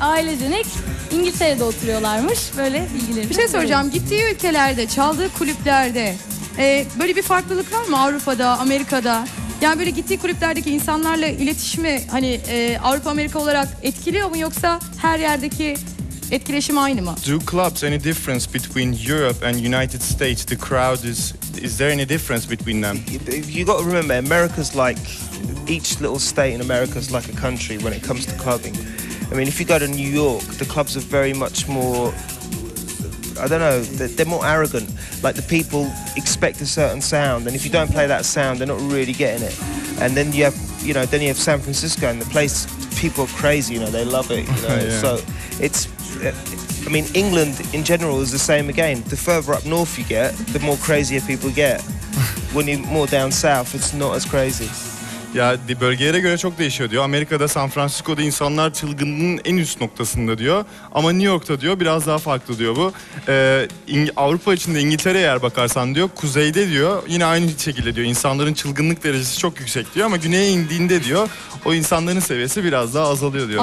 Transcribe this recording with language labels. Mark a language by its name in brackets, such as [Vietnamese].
[Turkish] Ailecenek İngiltere'de oturuyorlarmış. Böyle bilgilerim. Bir şey soracağım. Gittiği ülkelerde, çaldığı kulüplerde böyle bir farklılık var mı Avrupa'da, Amerika'da? Yani böyle gittiği kulüplerdeki insanlarla iletişimi hani Avrupa Amerika olarak etkiliyor mu, yoksa her yerdeki etkileşim aynı mı? [English] Do clubs any difference between Europe and United States? The crowd is there any difference between them? You got to remember, America's like each little state in America is like a country when it comes to clubbing. I mean, if you go to New York, the clubs are very much more, I don't know, they're more arrogant. Like the people expect a certain sound, and if you don't play that sound, they're not really getting it. And then you have, you know, then you have San Francisco, and the place, people are crazy, you know, they love it, you know. Yeah. So it's, I mean, England in general is the same again. The further up north you get, the more crazier people get. When you're more down south, it's not as crazy. [Turkish] Ya bölgeye göre çok değişiyor diyor. Amerika'da, San Francisco'da insanlar çılgınlığın en üst noktasında diyor. Ama New York'ta diyor biraz daha farklı diyor bu. Avrupa içinde İngiltere'ye eğer bakarsan diyor, kuzeyde diyor yine aynı şekilde diyor, İnsanların çılgınlık derecesi çok yüksek diyor. Ama güneye indiğinde diyor, o insanların seviyesi biraz daha azalıyor diyor.